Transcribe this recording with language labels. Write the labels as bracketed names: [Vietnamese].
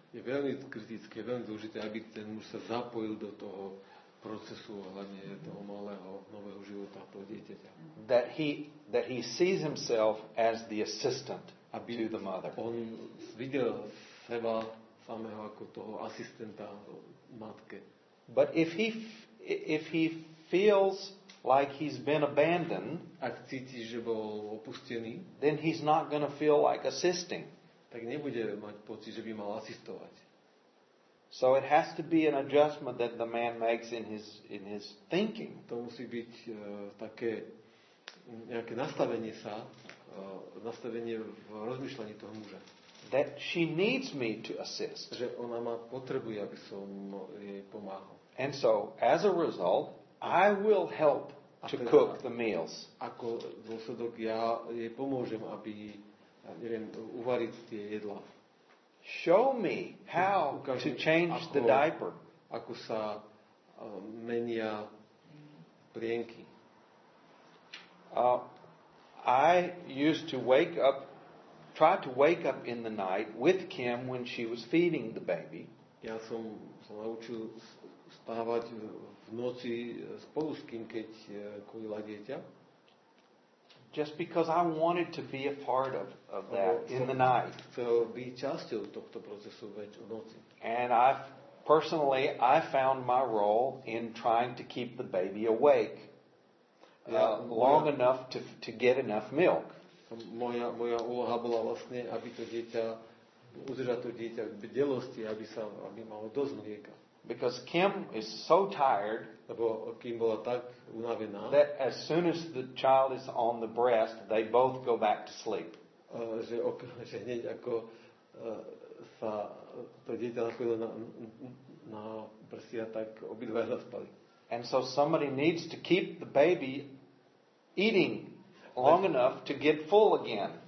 [Slovak] Je veľmi kritické, veľmi dôležité, aby ten muž sa zapojil do toho procesu ohľadne toho malého nového života, toho dieťaťa. [English] That he sees himself as the assistant to the mother. [Slovak] On videl seba samého ako toho asistenta matke. [English] But if he feels like he's been abandoned, [Slovak] ak cíti, že bol opustený, [English] then he's not going to feel like assisting. [Slovak] Tak nebude mať pocit, že by mal asistovať. [English] So it has to be an adjustment that the man makes in his thinking. [Slovak] To musí byť také nejaké nastavenie sa, nastavenie v rozmýšľaní toho muža. [English] That she needs me to assist. [Slovak] Že ona ma potrebuje, aby som jej pomáhal. [English] And so, as a result, I will help to cook the meals. [Slovak] Ako dôsledok, ja jej pomôžem, aby uvariť tie jedlá. [English] Show me how to change the diaper. [Slovak] Ako sa menia plienky. [English] I used to try to wake up in the night with Kim when she was feeding the baby. [Slovak] Ja som sa naučil stávať v noci spolu s Kim, keď kojila dieťa. [English] Just because I wanted to be a part of that in the night. [Slovak] So be časťou tohto procesu več v noci. [English] And I personally found my role in trying to keep the baby awake long enough to get enough milk. [Slovak] Moja úloha bola vlastne, aby to dieťa udržať to dieťa v bdelosti, aby malo dosť mlieka. [English] Because Kim is so tired, [Slovak] lebo Kim bola tak unavená, [English] that as soon as the child is on the breast, they both go back to sleep. [Slovak] Že hneď ako sa to dieťa nachodilo na prsia, tak obidva zaspali. [English] And so somebody needs to keep the baby eating long enough to get full again.